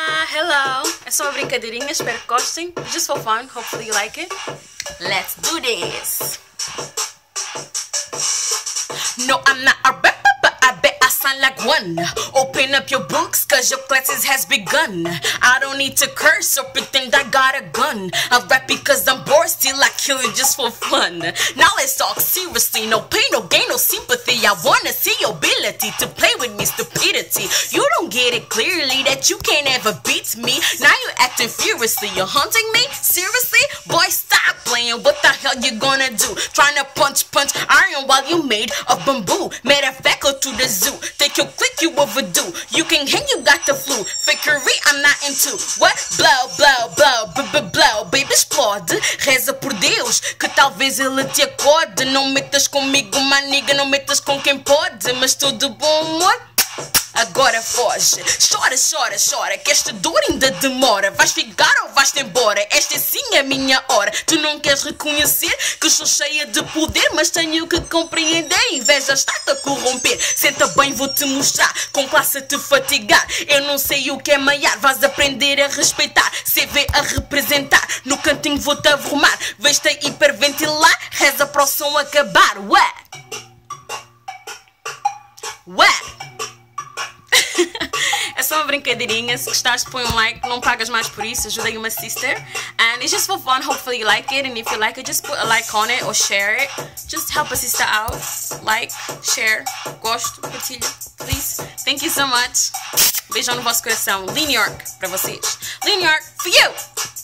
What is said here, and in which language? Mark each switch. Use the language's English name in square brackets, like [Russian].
[Portuguese] Hello, é só uma brincadeirinha, espero que gostem. [English] Just for fun, hopefully you like it. Let's do this! No, I'm not a rapper, but I bet I sound like one. Open up your books, cause your classes has begun. I don't need to curse or pretend I got a gun. I rap because I'm bored, still I kill you just for fun. Now let's talk seriously, no pain, no gain, no sympathy. I wanna see your ability to play with me, stupidity. You don't get it clearly that you can't ever beat me. Now you acting furiously, you're hunting me? Seriously? Boy, stop playing, what the hell you gonna do? Trying to punch iron while you made of bamboo. Made a feckle to the zoo, think you'll click, you overdue. You can hang, you got the flu. Fakery, I'm not into. What? Blow, blow, blow, blow. Baby, explode. [Portuguese] Reza por Deus, que talvez ele te acorde. Não metas comigo, [English] my nigga, [Portuguese] não metas com quem pode. Mas tudo bom, amor? Agora foge. Chora, chora, chora, que esta dor ainda demora. Vais ficar ou vais-te embora? Esta sim é a minha hora. Tu não queres reconhecer que sou cheia de poder, mas tenho que compreender. Inveja está-te a corromper. Senta bem, vou-te mostrar, com classe a te fatigar. Eu não sei o que é maiar. Vais aprender a respeitar, CV a representar. No cantinho vou-te arrumar. Vês-te a hiperventilar. Reza para o som acabar. Ué, ué. É só uma brincadeirinha. Se gostaste, põe um like. Não pagas mais por isso. Ajudei uma sister. [English] And it's just for fun. Hopefully you like it. And if you like it, just put a like on it or share it. Just help a sister out. Like, share, [Portuguese] gosto, partilho. [English] Please. Thank you so much. [Portuguese] Beijão no vosso coração. [English] Lynnyork, [Portuguese] para vocês. [English] Lynnyork, for you!